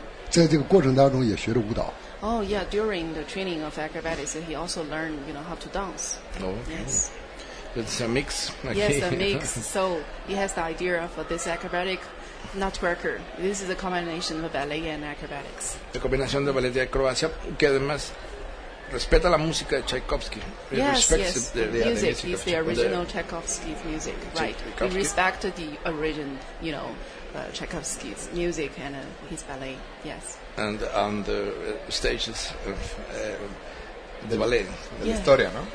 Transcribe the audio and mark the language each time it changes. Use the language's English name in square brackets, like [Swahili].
[Chinese] 在这个过程当中也学着舞蹈。 [English] Oh yeah, during the training of acrobatics, he also learned, you know, how to dance. It's a mix. Yes, a mix. So he has the idea of this acrobatic nutcracker. This is a combination of ballet and acrobatics. [Spanish] La combinación de ballet y acrobacia, que además respeta la música de Tchaikovsky. [English] Yes, the music is the original Tchaikovsky's music. Right. He respected the original, you know,Tchaikovsky's music and his ballet. Yes. And on the stages of the ballet. [Spanish] La historia, ¿no?